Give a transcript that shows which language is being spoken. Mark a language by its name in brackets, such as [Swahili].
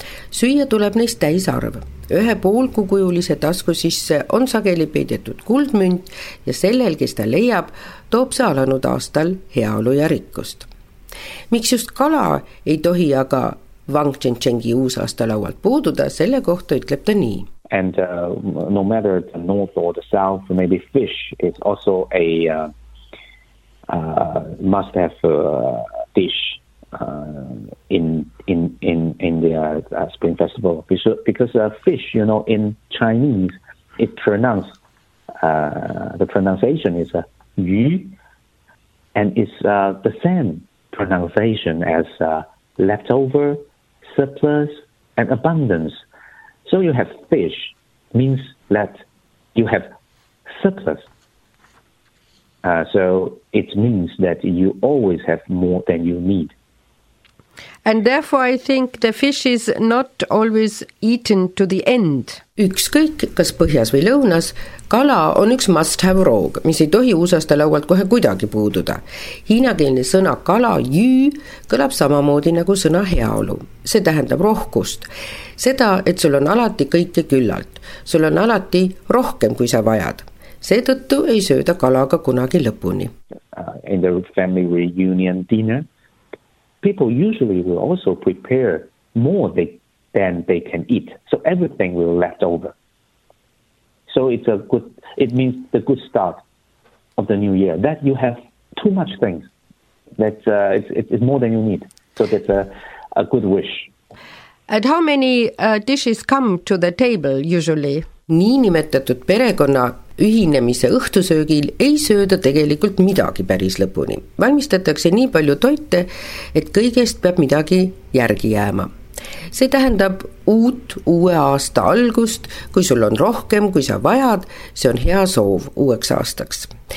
[Estonian] Süüa tuleb neist täis arv. Ühe poolkukujulise tasku sisse on sageli peidetud kuldmünt ja sellel, kes ta leiab, toob see alanud aastal heaolu ja rikkust. Miks just kala ei tohi aga Wang Chenchengi uusaasta laualt puududa, selle kohta ütleb ta nii. [English] And no matter the north or the south, maybe fish is also a must-have dish in the spring festival. Because fish, you know, in Chinese, it pronounced the pronunciation is yu, and it's the same pronunciation as leftover, surplus, and abundance. So you have fish means that you have surplus. So it means that you always have more than you need. And therefore I think the fish is not always eaten to the end. [Estonian] Ükskõik, kas põhjas või lõunas, kala on üks must-have roog, mis ei tohi uusaasta laualt kohe kuidagi puududa. Hiinakeelne sõna kala, jü, kõlab samamoodi nagu sõna heaolu. See tähendab rohkust. Seda, et sul on alati kõike küllalt. Sul on alati rohkem, kui sa vajad. See tõttu ei sööda kalaga kunagi lõpuni. [English] In the family reunion dinner, people usually will also prepare more than they can eat. So everything will left over. So it means the good start of the new year, that you have too much things. That it's more than you need. So that's a good wish. And how many dishes come to the table usually? [Estonian] Nii nimetatud perekonna ühinemise õhtusöögil ei sööda tegelikult midagi päris lõpuni. Valmistatakse nii palju toite, et kõigest peab midagi järgi jääma. See tähendab uue aasta algust, kui sul on rohkem, kui sa vajad, see on hea soov uueks aastaks.